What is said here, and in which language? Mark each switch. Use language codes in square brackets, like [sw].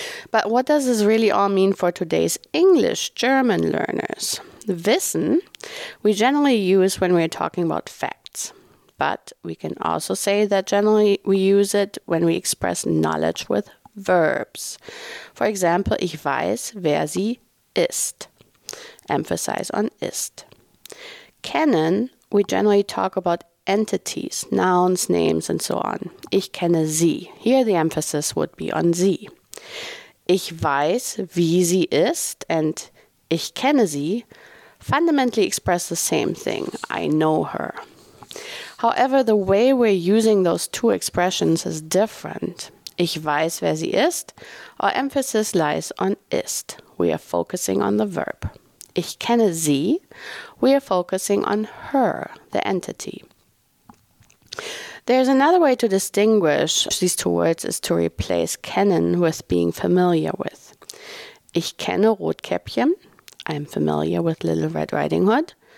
[en] But what does this really all mean for today's English-German learners? Wissen, we generally use when we're talking about facts. But we can also say that generally we use it when we express knowledge with verbs. For example, [de] ich weiß, wer sie ist. [en] Emphasize on ist. Kennen, we generally talk about entities, nouns, names, and so on. [de] Ich kenne sie. [en] Here the emphasis would be on sie. [de] Ich weiß, wie sie ist, [en] and [de] ich kenne sie [en] fundamentally express the same thing, I know her. However, the way we're using those two expressions is different. [de] Ich weiß, wer sie ist, [en] our emphasis lies on ist. We are focusing on the verb. [de] Ich kenne sie, [en] we are focusing on her, the entity. There's another way to distinguish these two words is to replace kennen with being familiar with. [de] Ich kenne Rotkäppchen. [en] I'm familiar with Little Red Riding Hood.